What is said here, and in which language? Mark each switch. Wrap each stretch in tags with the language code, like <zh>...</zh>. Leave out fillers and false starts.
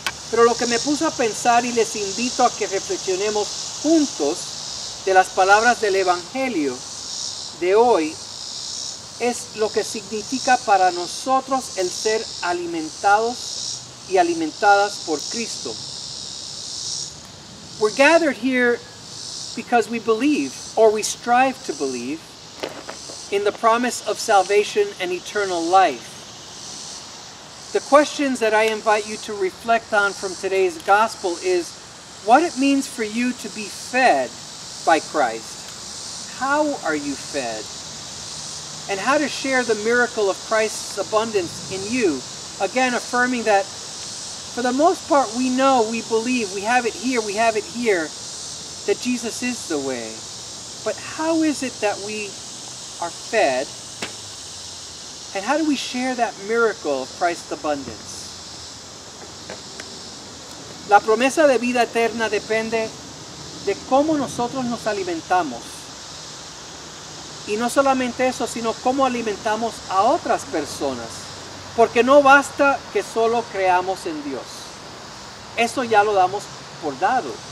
<es>Pero lo que me puso a pensar y les invito a que reflexionemos juntos de las palabras del Evangelio de hoy es lo que significa para nosotros el ser alimentados y alimentadas por Cristo.</es> <en>We're gathered here because we believe, or we strive to believe, in the promise of salvation and eternal life. The questions that I invite you to reflect on from today's gospel is what it means for you to be fed by Christ. How are you fed? And how to share the miracle of Christ's abundance in you. Again, affirming that for the most part, we know, we believe, we have it here, that Jesus is the way. But how is it that we are fed? And how do we share that miracle of Christ's abundance?</en> <es>La promesa de vida eterna depende de cómo nosotros nos alimentamos. Y no solamente eso, sino cómo alimentamos a otras personas. Porque no basta que solo creamos en Dios. Eso ya lo damos por dado.</es>